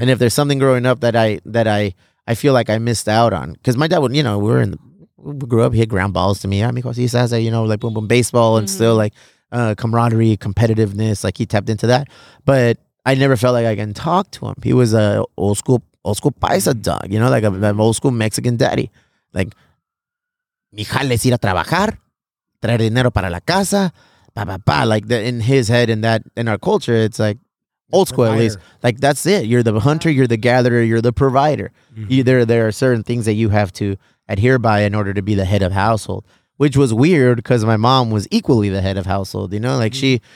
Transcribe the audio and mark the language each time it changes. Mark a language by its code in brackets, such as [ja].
[en] And if there's something growing up that I feel like I missed out on, because my dad would, you know, we grew up, he had ground balls to me. I mean, he says that, you know, like boom, boom, baseball and still like camaraderie, competitiveness, like he tapped into that. But I never felt like I can talk to him. He was a old school paisa dog, you know, like an old school Mexican daddy. [es] Like, mi jale es ir a trabajar, traer dinero para la casa, ba, ba, ba. [en] Like the, in his head, in that, in our culture, it's like, old school, provider. At least. Like, that's it. You're the hunter, you're the gatherer, you're the provider. Mm-hmm. There are certain things that you have to adhere by in order to be the head of household, which was weird because my mom was equally the head of household, you know? Like, mm-hmm.